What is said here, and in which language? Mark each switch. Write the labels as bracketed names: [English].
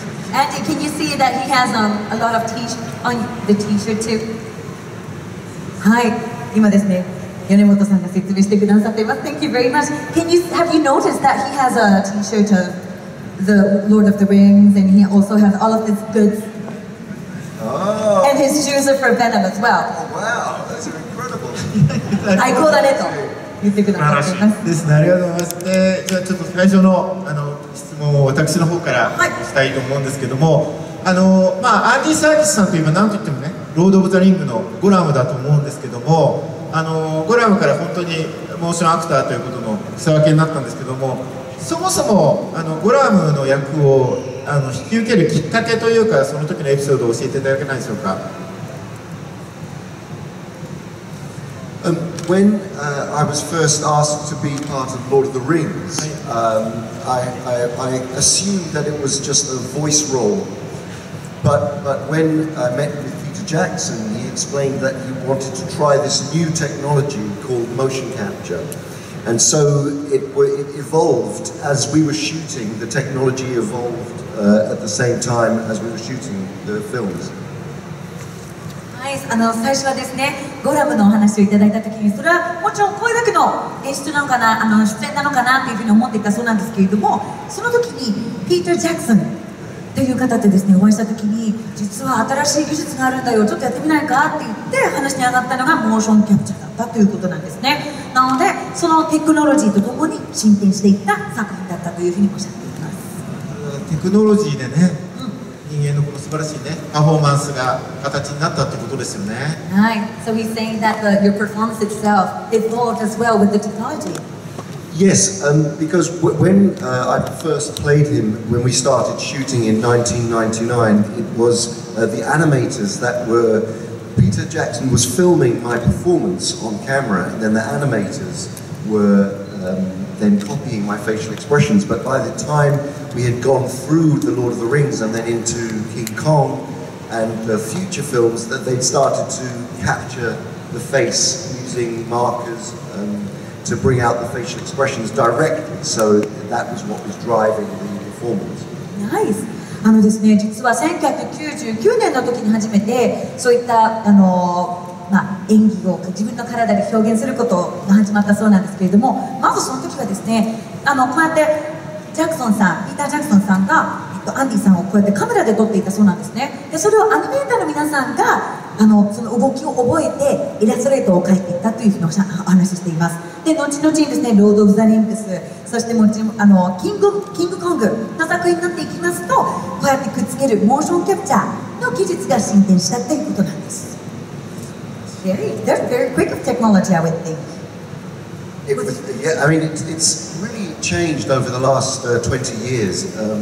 [English] Andy, can you see that he has a lot of on the t-shirt too? [Japanese] はい、今ですね、米本さんが説明してくださっています。 [English] Thank you very much. Have you noticed that he has a t-shirt of the Lord of the Rings, and he also has all of his goods? Oh. And his shoes are for Venom as well. Oh, wow, those are incredible. I call that it. [Japanese] 言ってくださっています。ですね、ありがとうございます。じゃあちょっと最初のもう私の方からしたいと思うんですけども、はい、まあ、アンディ・サーキスさんといえば何といってもね、ロード・オブ・ザ・リングのゴラムだと思うんですけども、ゴラムから本当にモーションアクターということの草分けになったんですけども、そもそもゴラムの役を引き受けるきっかけというか、その時のエピソードを教えていただけないでしょうか。 [English] When I was first asked to be part of Lord of the Rings、はい、I assumed that it was just a voice role, but when I met with Peter Jackson, he explained that he wanted to try this new technology called motion capture, and so it evolved as we were shooting. The technology evolved at the same time as we were shooting the films. [Japanese] はい、最初はですね、ゴラムのお話をいただいたときに、それはもちろん声だけの演出なのかな、出演なのかなというふうに思っていたそうなんですけれども、その時にピーター・ジャクソンという方とですね、お会いした時に、実は新しい技術があるんだよ、ちょっとやってみないかって言って話に上がったのがモーションキャプチャーだったということなんですね。なのでそのテクノロジーとともに進展していった作品だったというふうにおっしゃっています。テクノロジーでね、人間のこの素晴らしいね、パフォーマンスが形になったってことですよね。 [English] はい、So he's saying that your performance itself evolved as well with the technology. Yes, because when I first played him, when we started shooting in 1999, it was the animators that were... Peter Jackson was filming my performance on camera, and then the animators were then copying my facial expressions. But by the time we had gone through The Lord of the Rings and then into King Kong and the future films, that they'd started to capture the face using markers to bring out the facial expressions directly. So that was what was driving the performance. Nice. [Japanese] あのですね、実は1999年の時に初めてそういったあの、まあ、演技を自分の体で表現することが始まったそうなんですけれども、まずその時はですね、あのこうやってジャクソンさん、ピーター・ジャクソンさんが、アンディさんをこうやってカメラで撮っていたそうなんですね。でそれをアニメーターの皆さんがあのその動きを覚えてイラストレートを描いていったというふうにお話ししています。で後々にですね、ロード・オブ・ザ・リンクス、そしてもちろんあのキングコングの作品になっていきますと、こうやってくっつけるモーションキャプチャーの技術が進展したということなんです。 [English] Very quick of technology, I would think. Yeah, I mean, it's really changed over the last 20 years.